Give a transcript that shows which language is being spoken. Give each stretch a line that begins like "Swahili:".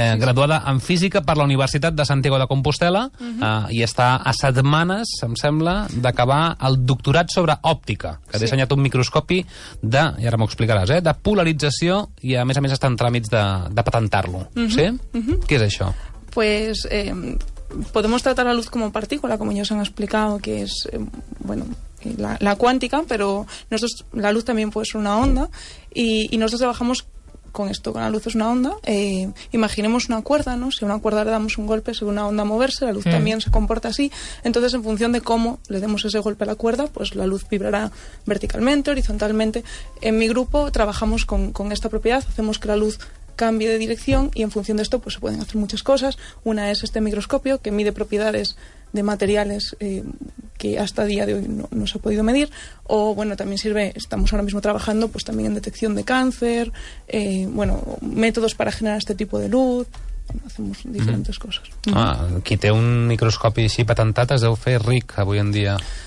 Catalan: Graduada en física per la Universitat de Santiago de Compostela i està a setmanes, em sembla, d'acabar el doctorat sobre òptica, que ha dissenyat un microscopi de, i ara m'ho explicaràs, de polarització i a més està en tràmits de patentar-lo. Mm-hmm. Sí? Mm-hmm. Què és això?
Spanish: Pues podemos tratar la luz como partícula, como ellos han explicado, que es, la cuántica, pero nosotros, la luz también puede ser una onda y nosotros trabajamos con esto, con la luz es una onda, imaginemos una cuerda, ¿no? Si a una cuerda le damos un golpe, si una onda moverse, la luz también se comporta así. Entonces, en función de cómo le demos ese golpe a la cuerda, pues la luz vibrará verticalmente, horizontalmente. En mi grupo trabajamos con esta propiedad, hacemos que la luz cambie de dirección y en función de esto pues se pueden hacer muchas cosas. Una es este microscopio que mide propiedades de materiales que hasta día de hoy no se ha podido medir, o bueno, también sirve, estamos ahora mismo trabajando pues también en detección de cáncer, métodos para generar este tipo de luz. Hacemos diferentes cosas.
Catalan: Qui té un microscopi així patentat es deu fer ric avui en dia.